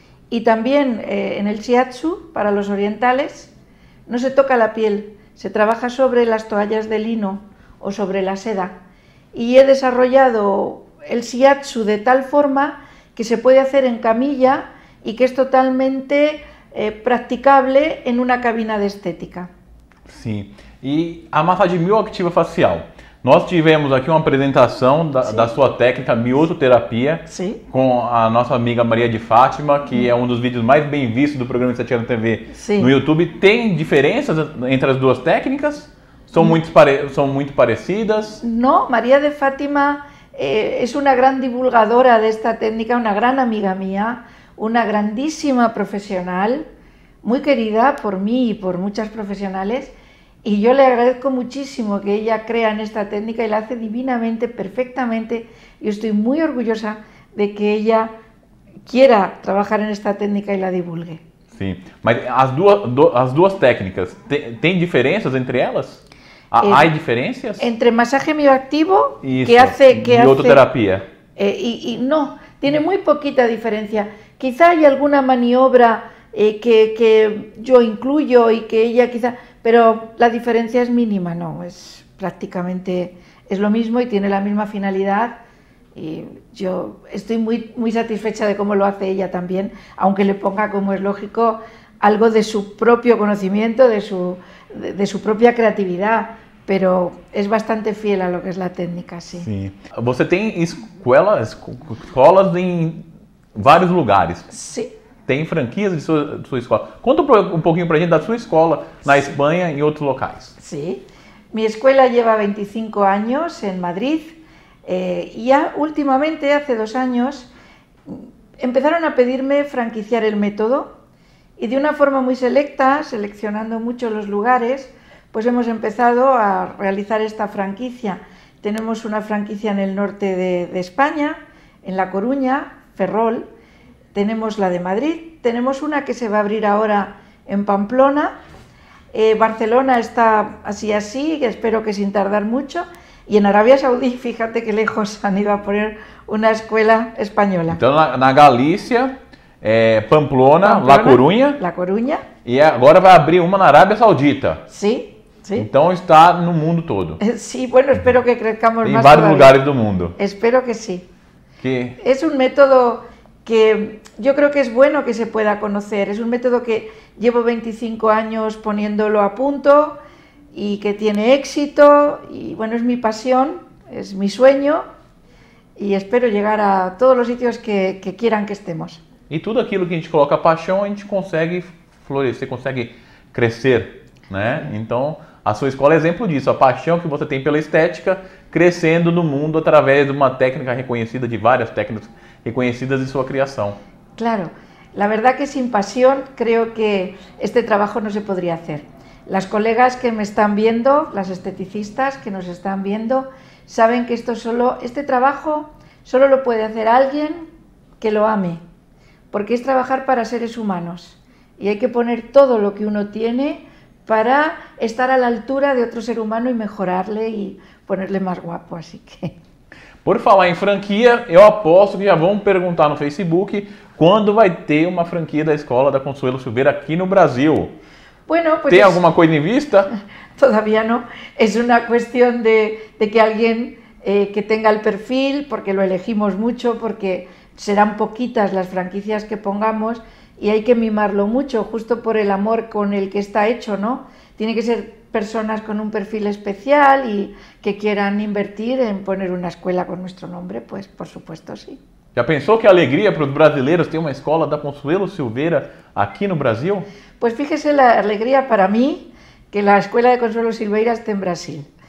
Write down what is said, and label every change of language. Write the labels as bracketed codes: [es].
[es] Y también en el shiatsu, para los orientales, no se toca la piel, se trabaja sobre las toallas de lino o sobre la seda. Y he desarrollado el shiatsu de tal forma que se puede hacer en camilla y que es totalmente practicable en una cabina de estética. [pt] Sí. E a massagem mioactiva facial, Nós tivemos aqui uma apresentação da sua técnica, miosoterapia, sim, com a nossa amiga Maria de Fátima, que é um dos vídeos mais bem vistos do programa Estatia na TV, sim, no YouTube. Tem diferenças entre as duas técnicas? São muito parecidas? Não, Maria de Fátima é uma grande divulgadora desta técnica, uma grande amiga minha, uma grandíssima profissional, muito querida por mim e por muitas profissionais. [es] Y yo le agradezco muchísimo que ella crea en esta técnica y la hace divinamente, perfectamente. Yo estoy muy orgullosa de que ella quiera trabajar en esta técnica y la divulgue. Sí, pero las dos técnicas, ¿tienen diferencias entre ellas? ¿Hay diferencias? Entre masaje mioactivo, que hace mioterapia. Y no, tiene muy poquita diferencia. Quizá hay alguna maniobra que yo incluyo y que ella quizá... Pero la diferencia es mínima, no, es prácticamente es lo mismo y tiene la misma finalidad y yo estoy muy, muy satisfecha de cómo lo hace ella también, aunque le ponga, como es lógico, algo de su propio conocimiento, de su propia creatividad, pero es bastante fiel a lo que es la técnica, sí. Sí. ¿Usted tiene escuelas en varios lugares? Sí. [pt] Tem franquias de sua escola. Conta um pouquinho para a gente da sua escola na Espanha e em outros locais. Sim. Sí. Minha escola lleva 25 anos em Madrid. E ultimamente, [es] hace 2 anos, empezaron a pedirme franquiciar [pt] o método. E de uma forma muito selecta, seleccionando muito os lugares, [es] pues hemos empezado a realizar esta franquicia. [pt] Temos uma franquicia no norte de Espanha, em La Coruña, Ferrol. [es] Tenemos la de Madrid, tenemos una que se va a abrir ahora en Pamplona, Barcelona está así, espero que sin tardar mucho, y en Arabia Saudí, fíjate qué lejos han ido a poner una escuela española. [pt] Entonces, na Galicia, Pamplona, La Coruña. [es] La Coruña. Y ahora va a abrir una en Arabia Saudita. Sí, sí. Entonces está en el mundo todo. Sí, bueno, espero que crezcamos más. En varios lugares del mundo. Espero que sí. ¿Qué? Es un método... que yo creo que es bueno que se pueda conocer, es un método que llevo 25 años poniéndolo a punto y que tiene éxito y bueno, es mi pasión, es mi sueño y espero llegar a todos los sitios que quieran que estemos. [pt] Y todo aquello que a gente coloca paixão, a gente consegue florecer, consegue crecer, ¿no? [es] Entonces, a su escuela es ejemplo de eso, la [pt] paixão que você tem pela estética crescendo no mundo através de uma técnica reconhecida, de várias técnicas reconhecidas de sua criação. [es] Claro, la verdad que sin pasión creo que este trabajo no se podría hacer. Las colegas que me están viendo, las esteticistas que nos están viendo, saben que este trabajo solo lo puede hacer alguien que lo ame, porque es trabajar para seres humanos y hay que poner todo lo que uno tiene para estar a la altura de otro ser humano y mejorarle y ponerle más guapo, así que... [pt] Por falar em franquia, eu aposto que já vão perguntar no Facebook quando vai ter uma franquia da escola da Consuelo Silveira aqui no Brasil. [es] Bueno, pues [pt] tem alguma coisa em vista? [es] Todavía no. [pt] É uma questão de que alguém que tenha o perfil, [es] porque lo elegimos mucho, porque serão poquitas as franquicias que pongamos, e hay que mimarlo mucho, justo por el amor con el que está hecho, ¿no? Tiene que ser personas con un perfil especial y que quieran invertir en poner una escuela con nuestro nombre, pues por supuesto sí. ¿Ya pensó qué alegría para los brasileños tener una escuela da Consuelo Silveira aquí en Brasil? Pues fíjese la alegría para mí que la escuela de Consuelo Silveira esté en Brasil.